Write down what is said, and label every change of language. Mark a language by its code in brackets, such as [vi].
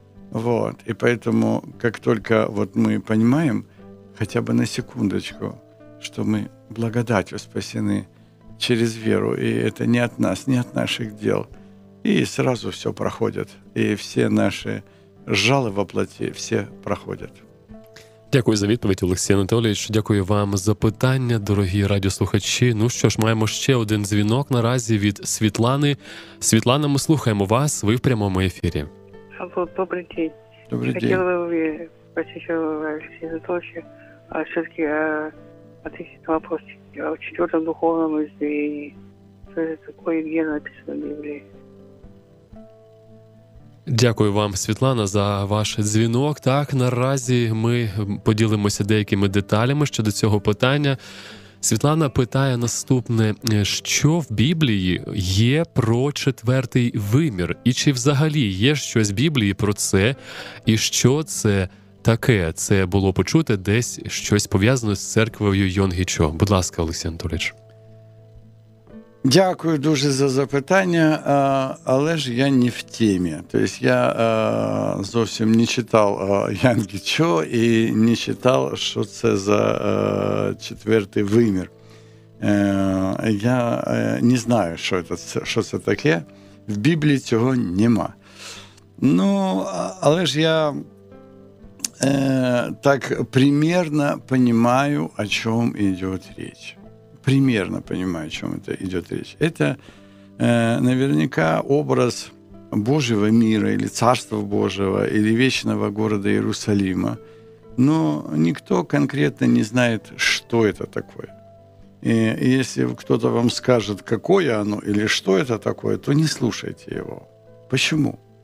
[ru] Вот, и поэтому, как только вот мы понимаем, хотя бы на секундочку, что мы благодатью спасены через веру, и это не от нас, не от наших дел, и сразу все проходит, и все наши жалы во плоти, все проходят. [uk] Дякую за відповідь, Олексій Анатолійович. Дякую вам за питання, дорогі радіослухачі. Ну що ж, маємо ще один дзвінок наразі від Світлани. Світлана, ми слухаємо вас, ви в прямому ефірі. [ru] Алло, добрый день. Добрый день. Хотела бы посещать Алексея Анатольевича, а все-таки ответить на вопрос о четвертом духовном измерении. Что это такое, где написано в Библии? [uk] Дякую вам, Світлана, за ваш дзвінок. Так, наразі ми поділимося деякими деталями щодо цього питання. Світлана питає наступне, що в Біблії є про четвертий вимір? І чи взагалі є щось в Біблії про це? І що це таке? Це було почути десь щось пов'язане з церквою Йонгічо. Будь ласка, Олексій Анатолійович. Дякую дуже за запитання, але ж я не в темі. Тобто я зовсім не читав Йонгічо і не читав, що це за четвертий вимір. Я не знаю, що це таке. В Біблії цього нема. Ну, але ж я так примерно розумію, о чому йде річ. [ru] Примерно понимаю, о чем это идет речь. Это наверняка образ Божьего мира или Царства Божьего, или вечного города Иерусалима. Но никто конкретно не знает, что это такое. И если кто-то вам скажет, какое оно или что это такое, то не слушайте его. Почему?